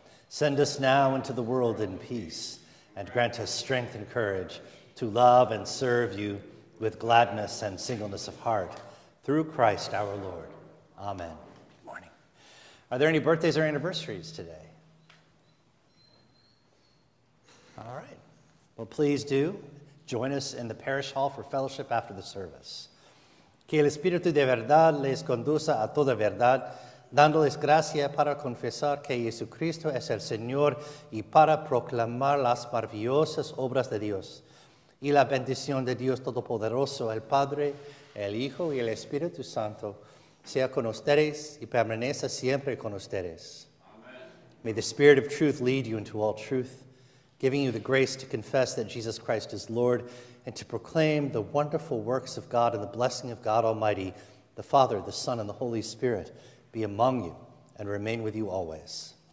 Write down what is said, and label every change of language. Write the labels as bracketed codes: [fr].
[en] Send us now into the world in peace, and grant us strength and courage to love and serve you with gladness and singleness of heart, through Christ our Lord. Amen. Good morning. Are there any birthdays or anniversaries today? All right. Well, please do join us in the parish hall for fellowship after the service. [es] Que el Espíritu de verdad les conduza a toda verdad, dándoles gracia para confesar que Jesucristo es el Señor y para proclamar las maravillosas obras de Dios. Y la bendición de Dios Todopoderoso, el Padre, el Hijo y el Espíritu Santo, sea con ustedes y permanezca siempre con ustedes. Amen. [en] May the Spirit of truth lead you into all truth, giving you the grace to confess that Jesus Christ is Lord and to proclaim the wonderful works of God and the blessing of God Almighty, the Father, the Son, and the Holy Spirit, be among you and remain with you always.